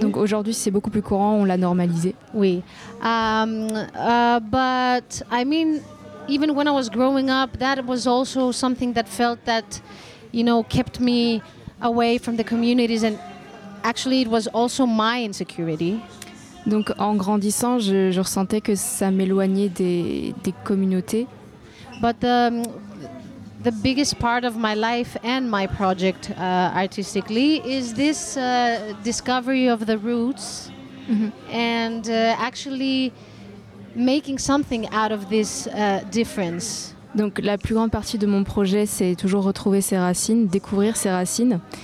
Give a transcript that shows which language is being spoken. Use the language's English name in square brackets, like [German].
[French] Donc aujourd'hui c'est beaucoup plus courant, on l'a normalisé. [English] Oui. But I mean, even when I was growing up, that was also something that felt that, you know, kept me away from the communities, and actually it was also my insecurity. [French] Donc en grandissant, je ressentais que ça m'éloignait des communautés. [English] But the biggest part of my life and my project artistically is this discovery of the roots, mm-hmm. and actually making something out of this difference. [French] Donc la plus grande partie de mon projet, c'est toujours retrouver ses racines, découvrir ses racines.